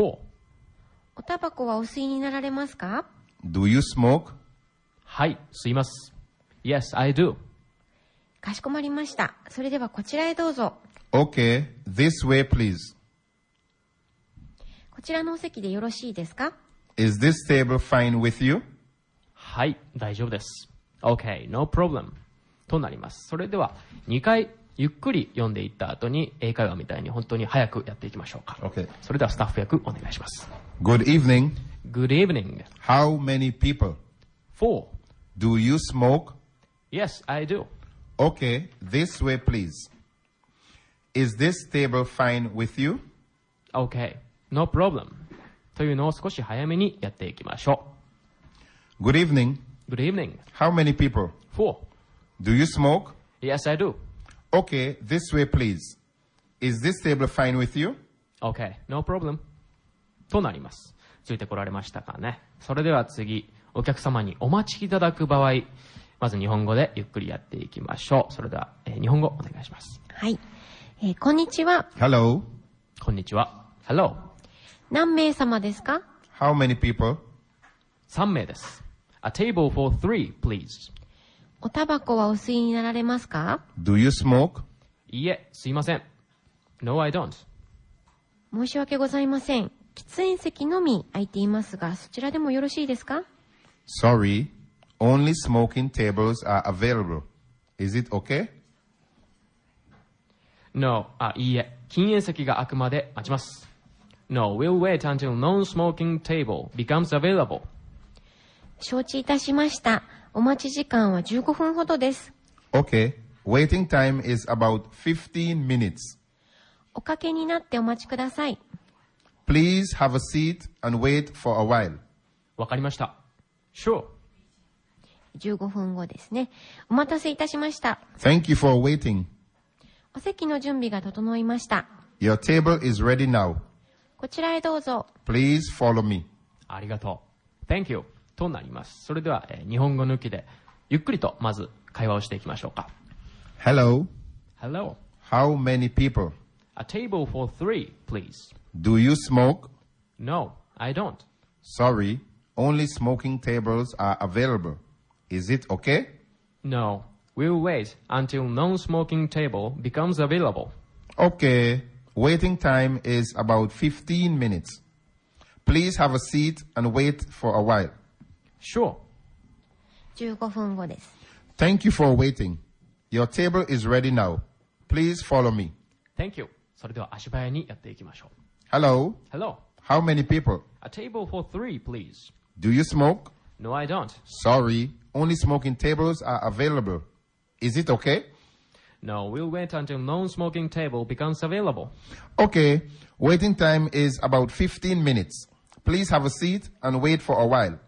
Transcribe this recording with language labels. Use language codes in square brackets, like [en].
[ja] おタバコはお吸いになられますか？ [en] Do you smoke? [ja] はい、吸います。 [en] Yes, I do. [ja] かしこまりました。それではこちらへどうぞ。 [en] Okay, this way please. [ja] こちらのお席でよろしいですか? [en] Is this table fine with you? [ja] はい、大丈夫です。 [en] Okay, no problem. [ja] となります。それでは2回ゆっくり読んでいった後に英会話みたいに本当に早くやっていきましょうか。 [en] Okay. [ja] それではスタッフ役お願いします。 [en] Good evening. Good evening. How many people? Four. Do you smoke? Yes, I do. Okay, this way please. Is this table fine with you? Okay, no problem. [ja] というのを少し早めにやっていきましょう。 [en] Good evening. Good evening. How many people? Four. Do you smoke? Yes, I do. Okay, this way please. Is this table fine with you? Okay, no problem. [ja] となります。ついてこられましたかね。それでは次、お客様にお待ちいただく場合、まず日本語でゆっくりやっていきましょう。それでは、日本語お願いします。はい。こんにちは。 [en] Hello. [ja] こんにちは。 [en] Hello. [ja] 何名様ですか? [en] How many people? [ja] 3名です。 [en] A table for three, please. [ja] おタバコはお吸いになられますか? [en] Do you smoke? [ja] いえ、すいません。 [en] No, I don't. [ja] 申し訳ございません。喫煙席のみ空いていますが、そちらでもよろしいですか? [en] Sorry, only smoking tables are available. Is it okay? [ja] No, いいえ、禁煙席があくまで待ちます。 [en] No, we'll wait until non-smoking table becomes available. [ja] 承知いたしました。お待ち時間は15分ほどです。 [en] Okay. Waiting time is about 15 minutes. [ja] おかけになってお待ちください。 [en] Please have a seat and wait for a while. [ja] わかりました。Sure. 15分後ですね。お待たせいたしました。 [en] Thank you for waiting. [ja] お席の準備が整いました。 [en] Your table is ready now. [ja] こちらへどうぞ。 [en] Please follow me. [ja] ありがとう。 [en] Thank you. [ja] となります。それでは、日本語抜きでゆっくりとまず会話をしていきましょうか。 [en] Hello. Hello. How many people? A table for three, please. Do you smoke? No, I don't. Sorry, only smoking tables are available. Is it okay? No, we'll wait until non-smoking table becomes available. Okay, waiting time is about 15 minutes. Please have a seat and wait for a while. Sure. [ja] 15分後です。 [en] Thank you for waiting. Your table is ready now. Please follow me. Thank you. それでは足早にやっていきましょう。 Hello. Hello. How many people? A table for three, please. Do you smoke? No, I don't. Sorry. Only smoking tables are available. Is it okay? No, we'll wait until non-smoking table becomes available. Okay. Waiting time is about 15 minutes. Please have a seat and wait for a while.